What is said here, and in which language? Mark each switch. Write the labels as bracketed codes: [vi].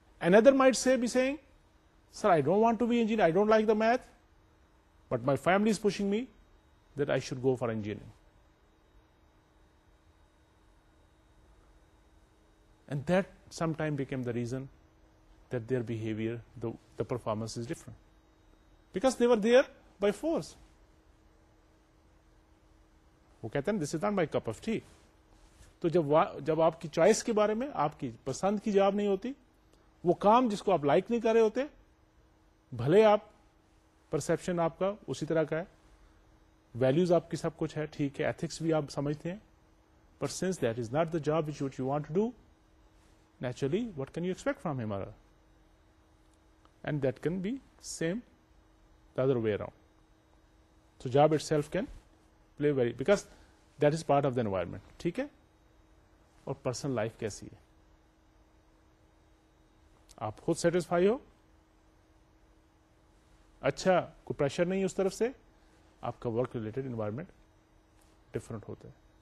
[en] Another might say, be saying, sir, I don't want to be engineer, I don't like the math, but my family is pushing me that I should go for engineering. And that sometime became the reason that their behavior, the performance is different. Because they were there by force. [ur] وہ کہتے ہیں [en] This is not my cup of tea. [ur] تو جب آپ کی choice کے بارے میں آپ کی پسند کی جواب نہیں ہوتی, وہ کام جس کو آپ لائک نہیں کر رہے ہوتے, بھلے آپ پرسپشن آپ کا اسی طرح کا ہے, ویلوز آپ کی سب کچھ ہے, ٹھیک ہے, ایتھکس بھی آپ سمجھتے ہیں, پر [en] Since that is not the job which you want to do, naturally what can you expect from him or her, and that can be same the other way around. So job itself can play very, because that is part of the environment. [ur] ٹھیک ہے. اور personal life کیسی ہے, آپ خود satisfy ہو, اچھا, کوئی pressure نہیں اس طرف سے, آپ کا ورک ریلیٹڈ انوائرمنٹ ڈفرنٹ ہوتا ہے.